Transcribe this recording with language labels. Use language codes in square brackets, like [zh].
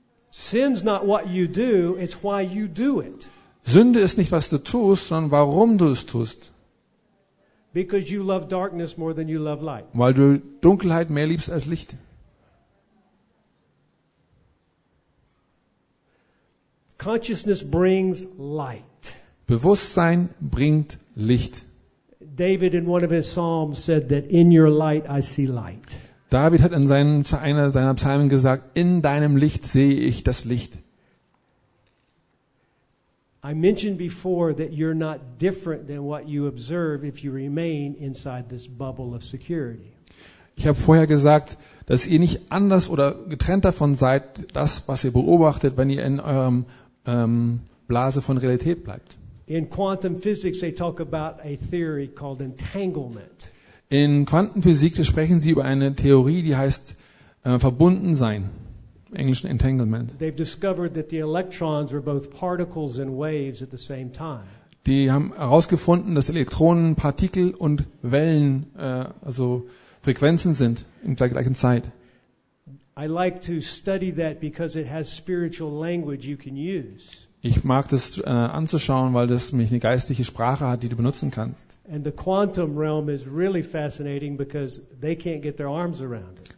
[en] Sin's not what you do, it's why you do it. [de] Sünde ist nicht, was du tust, sondern warum du es tust. [en] Because you love darkness more than you love light. [de] Weil du Dunkelheit mehr liebst als Licht. [en] Consciousness brings light. [de] Bewusstsein bringt Licht. [en] David in one of his psalms said that in your light I see light. [de] David hat in einer seiner Psalmen gesagt, in deinem Licht sehe ich das Licht. [en] I mentioned before that you're not different than what you observe if you remain inside this bubble of security. [de] Ich habe vorher gesagt, dass ihr nicht anders oder getrennt davon seid, das was ihr beobachtet, wenn ihr in eurem Blase von Realität bleibt. [en] In quantum physics they talk about a theory called entanglement. [de] In Quantenphysik sprechen sie über eine Theorie, die heißt verbunden sein. Im Englischen entanglement. [en] They've discovered that the electrons were both particles and waves at the same time. [de] Die haben herausgefunden, dass Elektronen Partikel und Wellen also Frequenzen sind in der gleichen Zeit. [en] I like to study that because it has spiritual language you can use. [de] Ich mag das anzuschauen, weil das mich eine geistliche Sprache hat, die du benutzen kannst. [en] And the quantum realm is really fascinating because they can't get their arms around it.